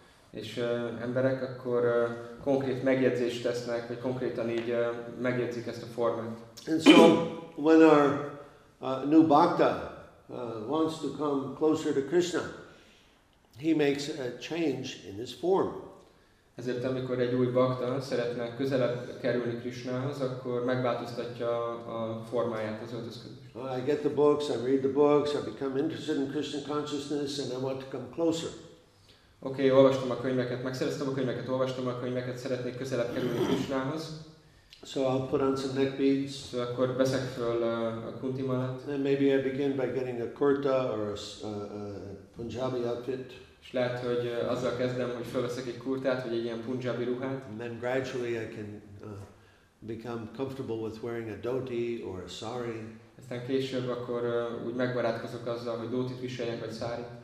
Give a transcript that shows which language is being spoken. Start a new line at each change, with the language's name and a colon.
Hungarian: És emberek akkor konkrét megjegyzést tesznek, vagy konkrétan így megjegyzik ezt a formát.
English: And so when our new bhakta wants to come closer to Krishna, he makes a change in his form.
Hungarian: Ezért amikor egy új bhakta szeretne közelebb kerülni Krishnához, akkor megváltoztatja a formáját, az öltözködést.
English: I get the books, I read the books, I become interested in Krishna consciousness, and I want to come closer.
Hungarian: Okay, olvastam a könyveket, megszereztem a könyveket, olvastam a könyveket, szeretnék közelebb kerülni Krishnához.
English: So I'll put on some neck beads.
Hungarian: So akkor veszek föl a kunti malát.
English: Then maybe I begin by getting a kurta or a Punjabi outfit.
Hungarian: És lehet, hogy azzal kezdem, hogy felveszek egy kurtát, vagy egy ilyen punjabi ruhát.
English: And then gradually I can become comfortable with wearing a dhoti or a sari.
Hungarian: Aztán később akkor úgy megbarátkozok azzal, hogy dhotit viseljek, vagy sari.